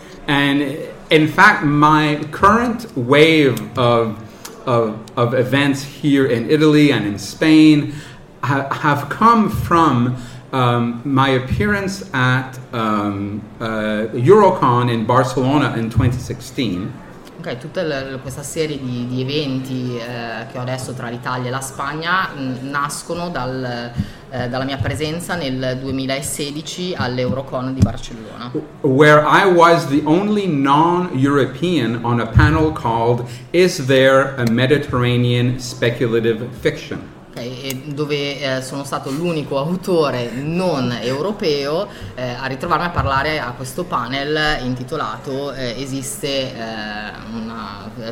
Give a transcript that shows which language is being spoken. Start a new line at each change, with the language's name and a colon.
English: And in fact, my current wave of events here in Italy and in Spain have come from my appearance at Eurocon in Barcelona in 2016.
Italian: Okay, tutta questa serie di eventi che ho adesso tra l'Italia e la Spagna nascono dalla mia presenza nel 2016 all'Eurocon di Barcellona,
English: where I was the only non-European on a panel called "Is There a Mediterranean Speculative Fiction?"
Italian: Dove sono stato l'unico autore non europeo a ritrovarmi a parlare a questo panel intitolato "Esiste una